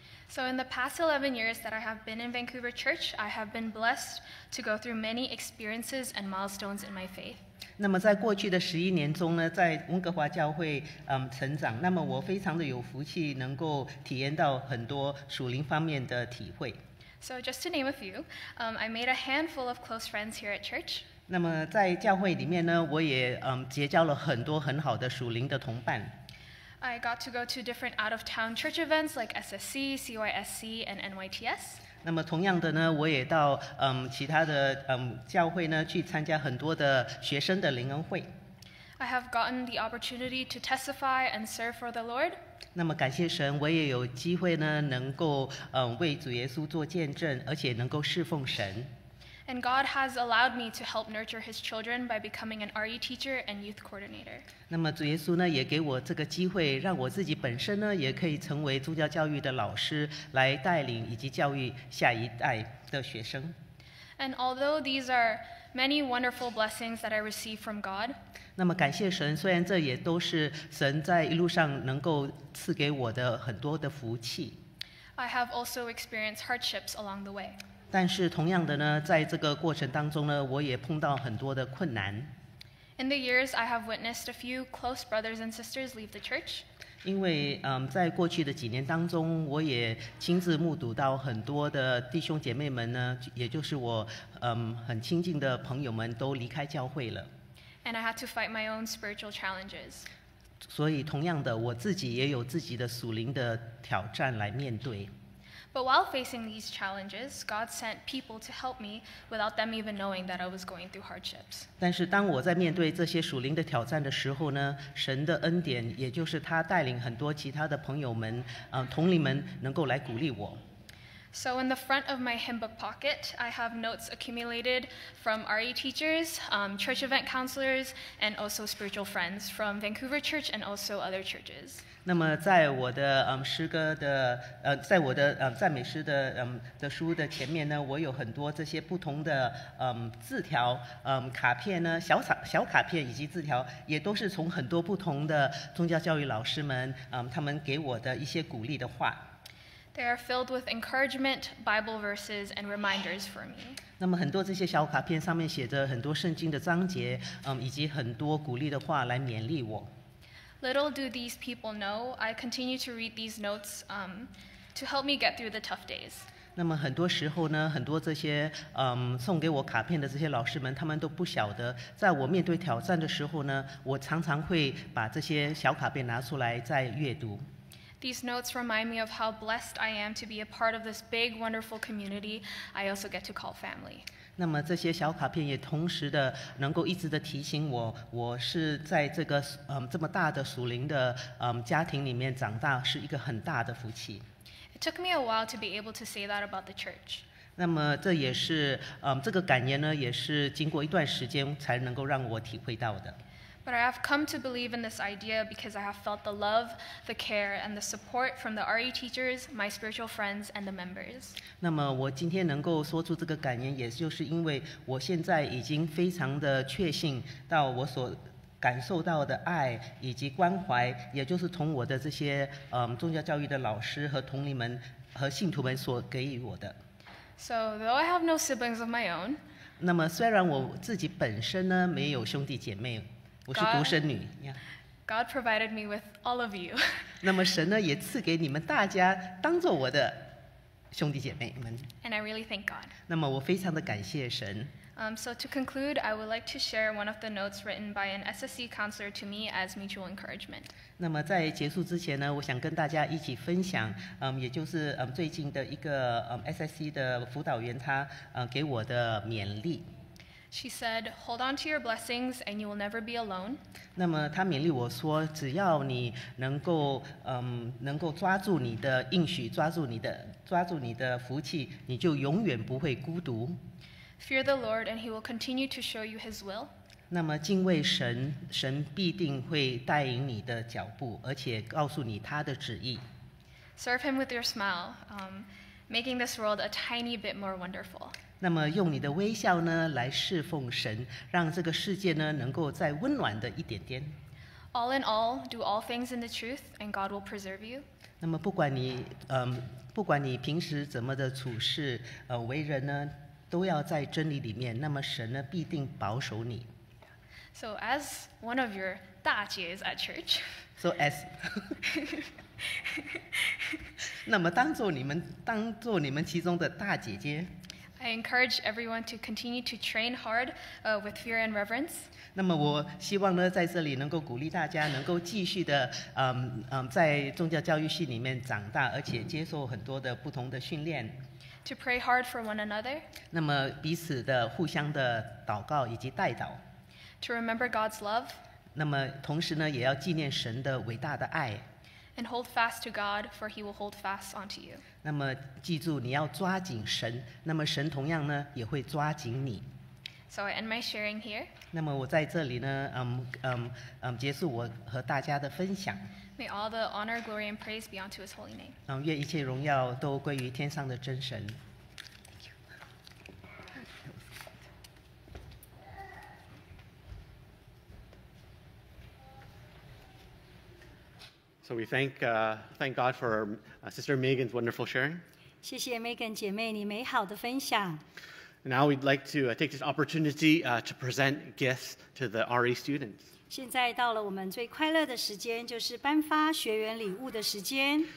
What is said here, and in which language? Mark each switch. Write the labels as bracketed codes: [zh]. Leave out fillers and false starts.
[en] So in the past 11 years that I have been in Vancouver Church, I have been blessed to go through many experiences and milestones in my faith. [zh] 那么在过去的11年中呢，在温哥华教会成长，那么我非常的有福气能够体验到很多属灵方面的体会。 [en] So just to name a few, I made a handful of close friends here at church. [zh] 那么在教会里面呢，我也结交了很多很好的属灵的同伴。 [en] I got to go to different out-of-town church events like SSC, CYSC, and NYTS. [zh] 那么同样的呢，我也到其他的教会呢去参加很多的学生的灵恩会。 [en] I have gotten the opportunity to testify and serve for the Lord. [zh] 那么感谢神，我也有机会呢，能够为主耶稣做见证，而且能够侍奉神。 [en] And God has allowed me to help nurture His children by becoming an RE teacher and youth coordinator. [zh] 那么主耶稣呢，也给我这个机会，让我自己本身呢，也可以成为宗教教育的老师，来带领以及教育下一代的学生。 [en] And although these are many wonderful blessings that I receive from God, [zh] 那么感谢神，虽然这也都是神在一路上能够赐给我的很多的福气。 [en] I have also experienced hardships along the way. [zh] 但是同样的呢，在这个过程当中呢，我也碰到很多的困难。 [en] In the years, I have witnessed a few close brothers and sisters leave the church. [zh] 因为在过去的几年当中，我也亲自目睹到很多的弟兄姐妹们呢，也就是我很亲近的朋友们都离开教会了。 [en] And I had to fight my own spiritual challenges. [zh] 所以同样的，我自己也有自己的属灵的挑战来面对。 [en] But while facing these challenges, God sent people to help me without them even knowing that I was going through hardships. [zh] 但是当我在面对这些属灵的挑战的时候呢，神的恩典，也就是他带领很多其他的朋友们，同龄们能够来鼓励我。 [en] So in the front of my hymn book pocket, I have notes accumulated from RE teachers, church event counselors, and also spiritual friends from Vancouver Church and also other churches. [zh] 那么在我的诗歌的在我的赞美诗的的书的前面呢，我有很多这些不同的字条卡片呢，小卡片以及字条，也都是从很多不同的宗教教育老师们他们给我的一些鼓励的话。 [en] They are filled with encouragement, Bible verses, and reminders for me. [zh] 那么很多这些小卡片上面写着很多圣经的章节，以及很多鼓励的话来勉励我。 [en] Little do these people know, I continue to read these notes, to help me get through the tough days. [zh] 那么很多时候呢，很多这些送给我卡片的这些老师们，他们都不晓得，在我面对挑战的时候呢，我常常会把这些小卡片拿出来再阅读。 [en] These notes remind me of how blessed I am to be a part of this big, wonderful community I also get to call family. [zh] 那么这些小卡片也同时的能够一直的提醒我，我是在这个这么大的属灵的家庭里面长大，是一个很大的福气。 [en] It took me a while to be able to say that about the church. [zh] 那么这也是这个感言呢，也是经过一段时间才能够让我体会到的。 [en] But I have come to believe in this idea because I have felt the love, the care, and the support from the RE teachers, my spiritual friends, and the members. [zh] 那么我今天能够说出这个感言，也就是因为我现在已经非常的确信到我所感受到的爱以及关怀，也就是从我的这些宗教教育的老师和同龄们和信徒们所给予我的。 [en] So though I have no siblings of my own, [zh] 那么虽然我自己本身呢没有兄弟姐妹。我是独生女。 [en] God provided me with all of you. [zh] 那么神呢也赐给你们大家当作我的兄弟姐妹们。 [en] And I really thank God. [zh] 那么我非常的感谢神。 [en] So to conclude, I would like to share one of the notes written by an SSC counselor to me as mutual encouragement. [zh] 那么在结束之前呢，我想跟大家一起分享，也就是最近的一个SSC 的辅导员他给我的勉励。 [en] She said, "Hold on to your blessings, and you will never be alone." [zh] 那么她勉励我说，只要你能够抓住你的应许，抓住你的福气，你就永远不会孤独。 [en] Fear the Lord, and He will continue to show you His will. [zh] 那么敬畏神，神必定会带领你的脚步，而且告诉你他的旨意。 [en] Serve Him with your smile, making this world a tiny bit more wonderful. [zh] 那么用你的微笑呢来侍奉神，让这个世界呢能够再温暖的一点点。 [en] All in all, do all things in the truth, and God will preserve you. [zh] 那么不管你平时怎么的处事，为人呢，都要在真理里面，那么神呢必定保守你。 [en] So as one of your 大姐's at church. So as. [zh] 那么当做你们其中的大姐姐。 [en] I encourage everyone to continue to train hard, with fear and reverence. [zh] 那么我希望呢，在这里能够鼓励大家，能够继续的，在宗教教育系里面长大，而且接受很多的不同的训练。 [en] To pray hard for one another. [zh] 那么彼此的互相的祷告以及代祷。 [en] To remember God's love. [zh] 那么同时呢，也要纪念神的伟大的爱。 [en] And hold fast to God, for He will hold fast onto you. [zh] 那么记住，你要抓紧神，那么神同样呢也会抓紧你。 [en] So I end my sharing here. [zh] 那么我在这里呢，结束我和大家的分享。 [en] May all the honor, glory, and praise be unto His holy name. [zh] 愿一切荣耀都归于天上的真神。 [en] So we thank God for Sister Megan's wonderful sharing. [zh] 谢谢 Megan 姐妹你美好的分享。 [en] Now we'd like to take this opportunity to present gifts to the RE students. [zh] 现在到了我们最快乐的时间，就是颁发学员礼物的时间。